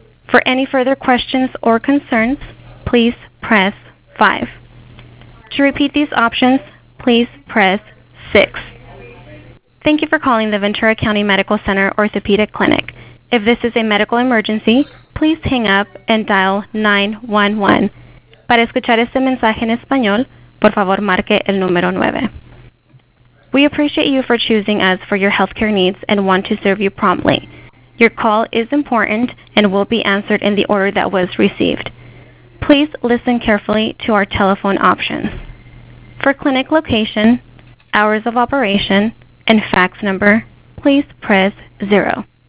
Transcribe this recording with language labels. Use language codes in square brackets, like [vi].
[en] For any further questions or concerns, please press 5. To repeat these options, please press 6. Thank you for calling the Ventura County Medical Center Orthopedic Clinic. If this is a medical emergency, please hang up and dial 911. [es] Para escuchar este mensaje en español, por favor marque el número 9. [en] We appreciate you for choosing us for your healthcare needs and want to serve you promptly. Your call is important and will be answered in the order that was received. Please listen carefully to our telephone options. For clinic location, hours of operation, and fax number, please press 0.